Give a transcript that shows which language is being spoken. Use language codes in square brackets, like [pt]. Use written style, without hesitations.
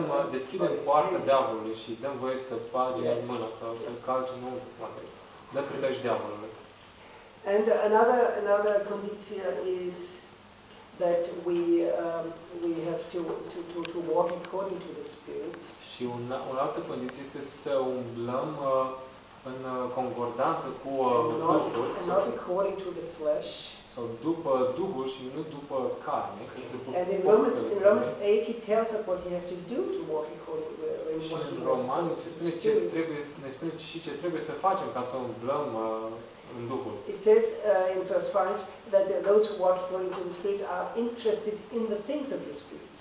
[ro] deschidem poarta diavolului și dăm voie să bage mâna sau să calce în urmă. Dă prilej diavolului. [en] And another conditio is that we have to walk according to the Spirit. [ro] Și o altă condiție este să umblăm în concordanță cu Duhul. [en] And not according to the flesh. [ro] Sau după Duhul și nu după carne. [en] And in Romans 8 he tells us what you have to do to walk according to the Spirit. [ro] Și în Romani ne spune și ce trebuie să facem ca să umblăm în Duhul. [en] It says in verse 5 that those who walk according to the Spirit are interested in the things of the Spirit.